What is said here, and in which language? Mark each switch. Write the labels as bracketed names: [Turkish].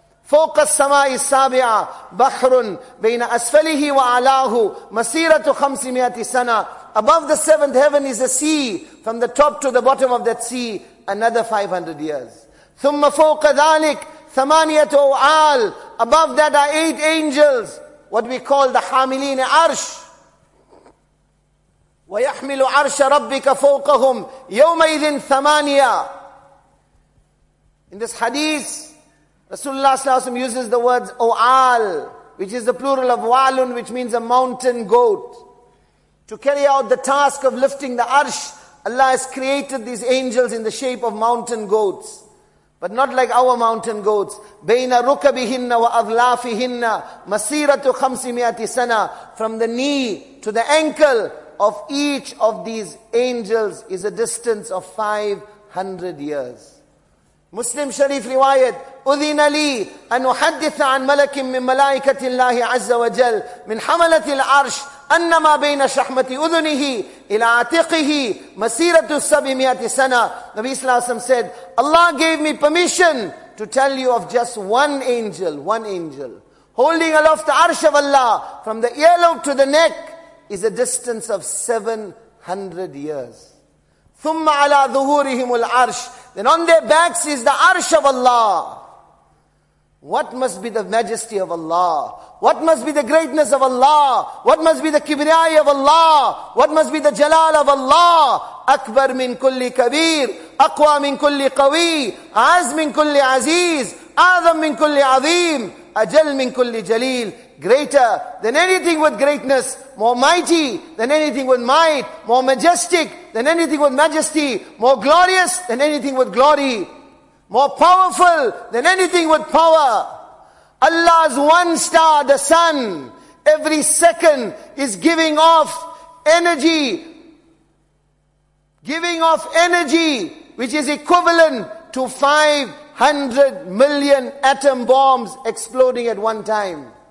[Arabic] فَوْقَ السَّمَاءِ السَّابِعَةِ بَحْرٌ بَيْنَ أَسْفَلِهِ وَعَلَاهُ مَسِيرَةُ خَمْسِمِيَةِ سَنَةٍ. [English] Above the seventh heaven is a sea. From the top to the bottom of that sea, another 500 years. [Arabic] ثُمَّ فَوْقَ ذَلِكَ ثَمَانِيَةُ أَوْعَالٍ. [English] Above that are 8 angels, what we call the [Arabic] حَامِلِينَ عَرْشِ. وَيَحْمِلُ عَرْشَ رَبِّكَ فَوْقَهُمْ يَوْمَئِذٍ ثَمَانِيَةٌ. [English] In this hadith, Rasulullah Sallallahu Alaihi Wasallam uses the words O'al, which is the plural of walun, which means a mountain goat. To carry out the task of lifting the arsh, Allah has created these angels in the shape of mountain goats. But not like our mountain goats. [Arabic] بَيْنَ رُكَبِهِنَّ وَأَظْلَافِهِنَّ مَسِيرَةُ خَمْسِمِيَةِ سَنَى. [English] From the knee to the ankle of each of these angels is a distance of 500 years. Muslim Sharif riwayat, [Arabic] أُذِنَ لِي أَنْ أُحَدِّثَ عَنْ مَلَكٍ مِّن مَلَائِكَةِ اللَّهِ عَزَّ وَجَلْ مِنْ حَمَلَةِ الْعَرْشِ أَنَّمَا بَيْنَ شَحْمَةِ أُذُنِهِ إِلَى عَتِقِهِ مَسِيرَةُ السَّبِمِيَةِ سَنَى. [English] Nabi Sallallahu Alaihi Wasallam said, Allah gave me permission to tell you of just one angel, holding aloft the arsh of Allah from the earlobe to the neck is a distance of 700 years. [Arabic] ثُمَّ عَلَىٰ ذُهُورِهِمُ الْعَرْشِ. [English] Then on their backs is the arsh of Allah. What must be the majesty of Allah? What must be the greatness of Allah? What must be the kibriyai of Allah? What must be the jalal of Allah? [Arabic] أكبر من كل كبير أقوى من كل قوي عز من كل عزيز أعظم من كل عظيم أجل من كل جليل. [English] Greater than anything with greatness, more mighty than anything with might, more majestic than anything with majesty, more glorious than anything with glory, more powerful than anything with power. Allah's one star, the sun, every second is giving off energy which is equivalent to 500 million atom bombs exploding at one time.